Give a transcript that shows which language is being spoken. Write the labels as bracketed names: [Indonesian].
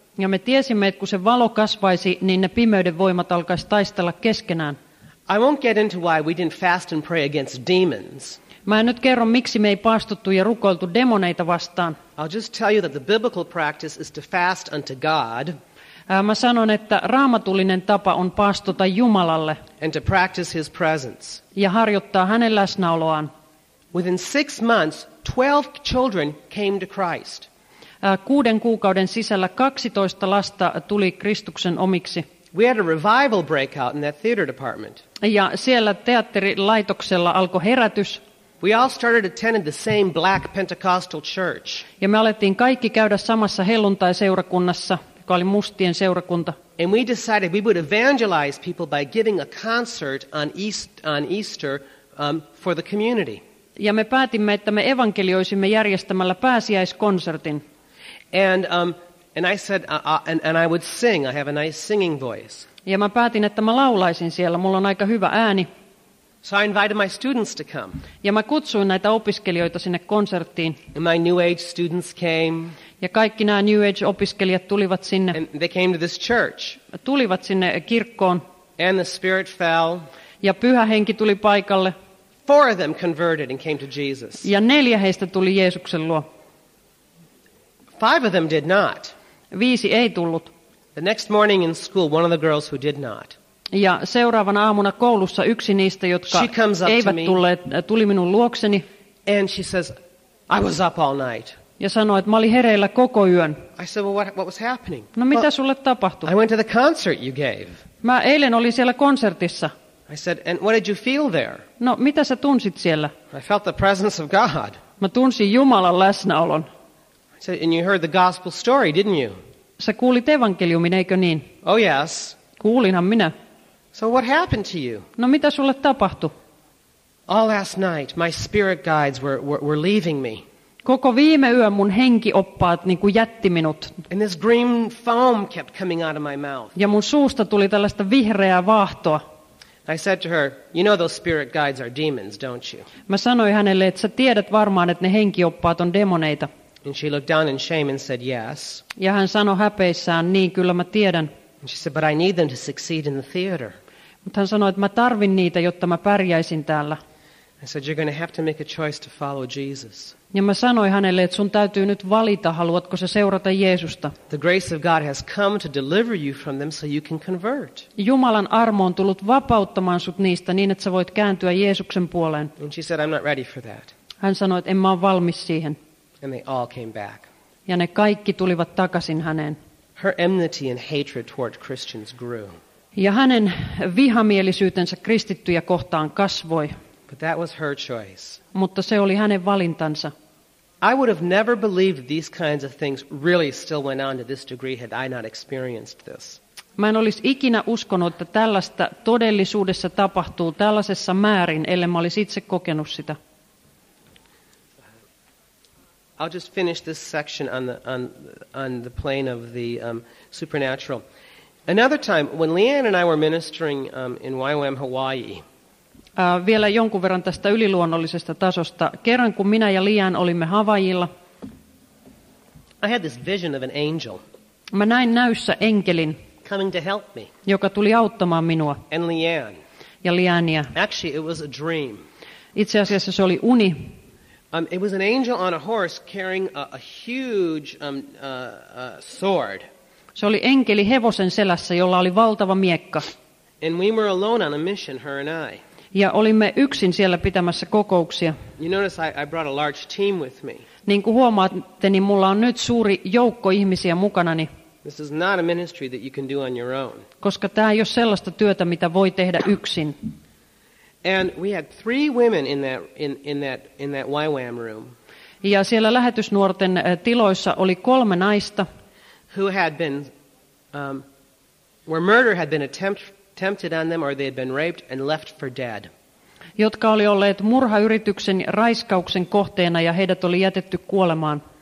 [Finnish] Ja me tiesimme, että kun se valo kasvaisi, niin ne pimeyden voimat alkaisi taistella keskenään. [English] I won't get into why we didn't fast and pray against demons. [Finnish] Mä en nyt kerro, miksi me ei paastuttu ja rukoiltu demoneita vastaan. [English] I'll just tell you that the biblical practice is to fast unto God. [Finnish] Mä sanon, että raamatullinen tapa on paastota Jumalalle. [English] And to practice his presence. [Finnish] Ja harjoittaa hänen läsnäoloaan. [English] Within 6 months, 12 children came to Christ. [Finnish] 6 kuukauden sisällä 12 lasta tuli Kristuksen omiksi. [English] We had a revival breakout in that theater department. [Finnish] Ja siellä teatterilaitoksella alkoi herätys. [English] We all started attending the same black Pentecostal church. [Finnish] Ja me alettiin kaikki käydä samassa helluntaiseurakunnassa, joka oli mustien seurakunta. [English] And we decided we would evangelize people by giving a concert on Easter for the community. [Finnish] Ja me päätimme, että me evankelioisimme järjestämällä pääsiäiskonsertin. [English] And I would sing. I have a nice singing voice. [Finnish] Ja mä päätin, että mä laulaisin siellä. Mulla on aika hyvä ääni. [English] So I invited my students to come. [Finnish] Ja mä kutsuin näitä opiskelijoita sinne konserttiin. [English] And my New Age students came. [Finnish] Ja kaikki nämä New Age -opiskelijat tulivat sinne. [English] And they came to this church. [Finnish] Tulivat sinne kirkkoon. [English] And the Spirit fell. [Finnish] Ja Pyhä Henki tuli paikalle. [English] 4 of them converted and came to Jesus. [Finnish] Ja 4 heistä tuli Jeesuksen luo. [English] 5 of them did not. [Finnish] 5 ei tullut. [English] The next morning in school, one of the girls who did not. [Finnish] Ja seuraavana aamuna koulussa yksi niistä, jotka eivät tulleet, tuli minun luokseni. [English] And she says, I was up all night. [Finnish] Ja sanoi, että mä olin hereillä koko yön. [English] I said, well, what was happening? [Finnish] No mitä sulle tapahtui? [English] I went to the concert you gave. [Finnish] Mä eilen olin siellä konsertissa. [English] I said, and what did you feel there? [Finnish] No mitä sä tunsit siellä? [English] I felt the presence of God. [Finnish] Mä tunsin Jumalan läsnäolon. [English] I said, and you heard the gospel story, didn't you? [Finnish] Sä kuulit evankeliumin, eikö niin? [English] Oh yes. [Finnish] Kuulinhan minä. [English] So what happened to you? [Finnish] No mitä sulle tapahtui? [English] All last night my spirit guides were leaving me. [Finnish] Koko viime yö mun henkioppaat niin kuin jätti minut. [English] And this green foam kept coming out of my mouth. [Finnish] Ja mun suusta tuli tällaista vihreää vaahtoa. [English] I said to her, you know those spirit guides are demons, don't you? [Finnish] Mä sanoin hänelle, että sä tiedät varmaan, että ne henkioppaat on demoneita. [English] And she looked down in shame and said, yes. [Finnish] Ja hän sanoi häpeissään, niin kyllä mä tiedän. [English] And she said, but I need them to succeed in the theater. [Finnish] Mutta hän sanoi, että mä tarvin niitä, jotta mä pärjäisin täällä. [English] I said, you're going to have to make a choice to follow Jesus. [Finnish] Ja mä sanoin hänelle, että sun täytyy nyt valita, haluatko sä seurata Jeesusta. [English] The grace of God has come to deliver you from them so you can convert. [Finnish] Jumalan armo on tullut vapauttamaan sut niistä niin, että sä voit kääntyä Jeesuksen puoleen. [English] And she said, I'm not ready for that. [Finnish] Hän sanoi, että en mä ole valmis siihen. [English] And they all came back. [Finnish] Ja ne kaikki tulivat takaisin häneen. [English] Her enmity and hatred toward Christians grew. [Finnish] Ja hänen vihamielisyytensä kristittyjä kohtaan kasvoi. [English] But that was her choice. [Finnish] Mutta se oli hänen valintansa. [English] I would have never believed these kinds of things really still went on to this degree had I not experienced this. [Finnish] Mä en olisi ikinä uskonut, että tällaista todellisuudessa tapahtuu tällaisessa määrin, ellei mä olisi itse kokenut sitä. [English] I'll just finish this section on the plane of the supernatural. Another time when Leanne and I were ministering in YWAM Hawaii. [Finnish] Vielä jonkun verran tästä yliluonnollisesta tasosta. Kerran kun minä ja Leanne olimme Havaijilla. [English] I had this vision of an angel. [Finnish] Mä näin näyssä enkelin. [English] Coming to help me. [Finnish] Joka tuli auttamaan minua. [English] And Leanne. [Finnish] Ja Leannea. [English] Actually it was a dream. [Finnish] Itse asiassa se oli uni. [English] It was an angel on a horse carrying a huge sword. [Finnish] Se oli enkeli hevosen selässä, jolla oli valtava miekka. [English] And we were alone on a mission, her and I. [Finnish] Ja olimme yksin siellä pitämässä kokouksia. [English] You notice I brought a large team with me. [Finnish] Niin kuin huomaatte, niin mulla on nyt suuri joukko ihmisiä mukanani. [English] This is not a ministry that you can do on your own. [Finnish] Koska tämä ei ole sellaista työtä, mitä voi tehdä yksin. [English] And we had three women in that YWAM room. [Finnish] Ja siellä lähetysnuorten tiloissa oli kolme naista, [English] who had been where murder had been attempted on them, or they had been raped and left for dead. [Finnish] Jotka oli olleet murhayrityksen raiskauksen kohteena ja heidät oli jätetty kuolemaan.